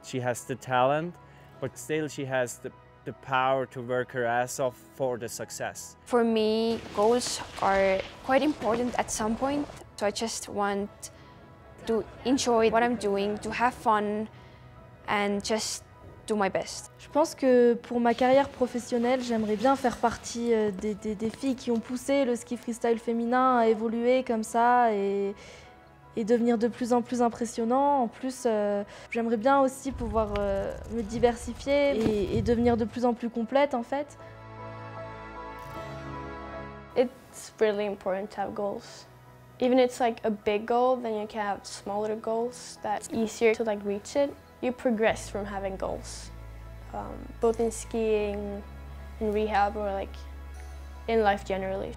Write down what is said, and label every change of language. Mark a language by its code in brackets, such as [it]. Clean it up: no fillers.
[en] She has the talent, but still she has the power to work her ass off for the success. For me, goals are quite important at some point. So I just want to enjoy what I'm doing, to have fun, and just do my best. [fr] Je pense que pour ma carrière professionnelle, j'aimerais bien faire partie des filles qui ont poussé le ski freestyle féminin à évoluer comme ça et devenir de plus en plus impressionnant. En plus, j'aimerais bien aussi pouvoir me diversifier et devenir de plus en plus complète, en fait. [en] It's really important to have goals. Even if it's like a big goal, then you can have smaller goals that's easier to like reach it. You progress from having goals, both in skiing, in rehab, or like in life generally.